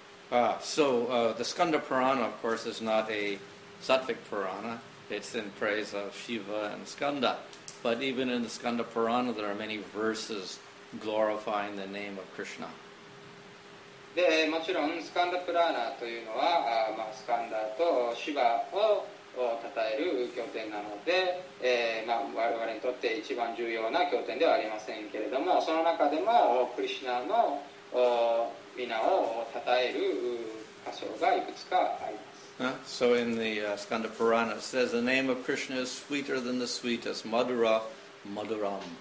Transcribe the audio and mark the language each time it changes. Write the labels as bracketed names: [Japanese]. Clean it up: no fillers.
[English] The Skanda Purana, of course, is not a sattvic Purana. It's in praise of Shiva and Skanda. But even in the Skanda Purana, there are many verses glorifying the name of Krishna. [Japanese] で、もちろん、スカンダプラーナというのは、まあ、スカンダとシヴァを称える経典なので、まあ、我々にとって一番重要な経典ではありませんけれども、その中でも、クリシナの [English] So in the Skanda Purana, it says the name of Krishna is sweeter than the sweetest, Madura, Maduram.